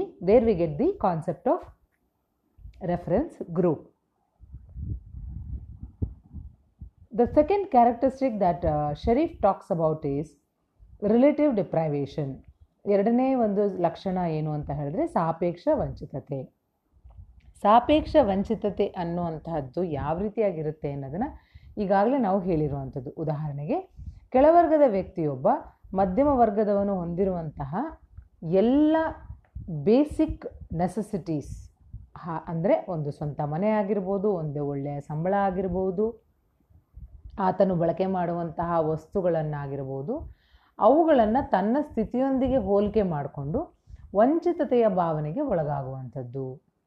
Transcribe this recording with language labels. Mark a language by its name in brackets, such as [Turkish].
[English] There we get the concept of reference group. The second characteristic that Sharif talks about is relative deprivation. [Kannada] ಎರಡನೇ ಒಂದು ಲಕ್ಷಣ ಏನು ಅಂತ ಹೇಳಿದ್ರೆ ಸಾಪೇಕ್ಷ ವಂಚಿತತೆ. ಸಾಪೇಕ್ಷ ವಂಚಿತತೆ ಅನ್ನುವಂತಹದ್ದು ಯಾವ ರೀತಿಯಾಗಿರುತ್ತೆ ಅನ್ನೋದನ್ನು ಈಗಾಗಲೇ ನಾವು ಹೇಳಿರುವಂಥದ್ದು. ಉದಾಹರಣೆಗೆ ಕೆಳವರ್ಗದ ವ್ಯಕ್ತಿಯೊಬ್ಬ ಮಧ್ಯಮ ವರ್ಗದವನು ಹೊಂದಿರುವಂತಹ ಎಲ್ಲ [English] basic necessities [Kannada] ಅಂದರೆ ಒಂದು ಸ್ವಂತ ಮನೆ ಆಗಿರ್ಬೋದು, ಒಂದು ಒಳ್ಳೆಯ ಸಂಬಳ ಆಗಿರ್ಬೋದು, ಆತನು ಬಳಕೆ ಮಾಡುವಂತಹ ವಸ್ತುಗಳನ್ನಾಗಿರ್ಬೋದು, ಅವುಗಳನ್ನು ತನ್ನ ಸ್ಥಿತಿಯೊಂದಿಗೆ ಹೋಲಿಕೆ ಮಾಡಿಕೊಂಡು ವಂಚಿತತೆಯ ಭಾವನೆಗೆ ಒಳಗಾಗುವಂಥದ್ದು.